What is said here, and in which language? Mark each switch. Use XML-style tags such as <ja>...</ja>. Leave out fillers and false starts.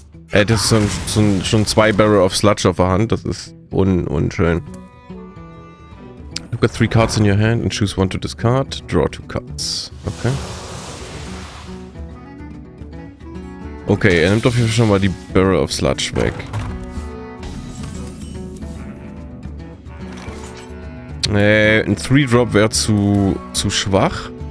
<de>Er hätte schon 2 Barrel of Sludge auf der Hand, das ist unschön.</de> <en>Look at 3 cards in your hand and choose 1 to discard. Draw 2 cards. Okay.</en> <de>Okay, er nimmt auf jeden Fall schon mal die Barrel of Sludge weg. Ein 3-Drop wäre zu schwach.</de>